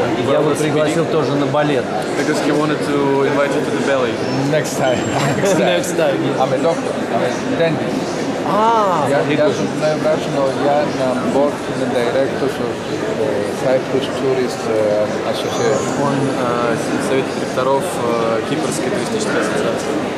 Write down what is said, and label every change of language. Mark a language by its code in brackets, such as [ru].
[ru] Я бы пригласил тоже на балет. [en] Because he wanted to invite you to the ballet. Next time. Next time. I'm a doctor. I'm a dentist. I'm board in the directors of the Cyprus Tourist Association. [ru] Он совет директоров Кипрской туристической ассоциации.